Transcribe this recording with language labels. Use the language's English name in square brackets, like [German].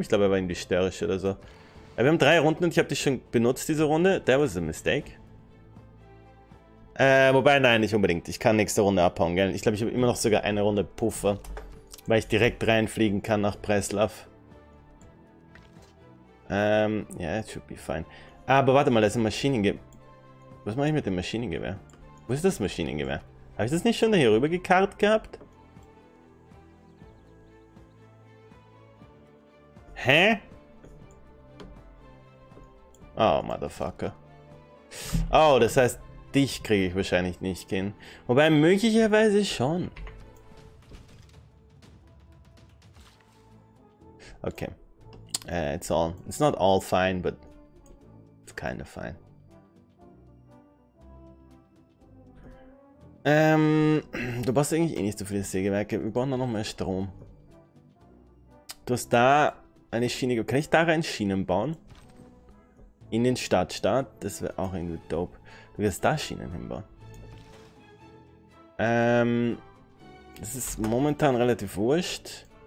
[German] Ich glaube, er war irgendwie störrisch oder so. Ja, wir haben drei Runden und ich habe dich schon benutzt, diese Runde. [English] That was a mistake. [German] Wobei, nein, nicht unbedingt. Ich kann nächste Runde abhauen, gell? Ich glaube, ich habe immer noch sogar eine Runde Puffer. Weil ich direkt reinfliegen kann nach Breslau. [English] Ja, yeah, it should be fine. [German] Aber warte mal, da ist ein Maschinengewehr. Was mache ich mit dem Maschinengewehr? Wo ist das Maschinengewehr? Habe ich das nicht schon da hier rüber gekarrt gehabt? Hä? Oh, Motherfucker. Oh, das heißt, dich kriege ich wahrscheinlich nicht hin. Wobei, möglicherweise schon. Okay. [English] It's not all fine, but it's kind of fine. [German] Du brauchst eigentlich eh nicht so viele Sägewerke. Wir brauchen noch mehr Strom. Du hast da eine Schiene. Kann ich da rein Schienen bauen? In den Stadtstaat, das wäre auch irgendwie dope. Du wirst da Schienen hinbauen. Das ist momentan relativ wurscht.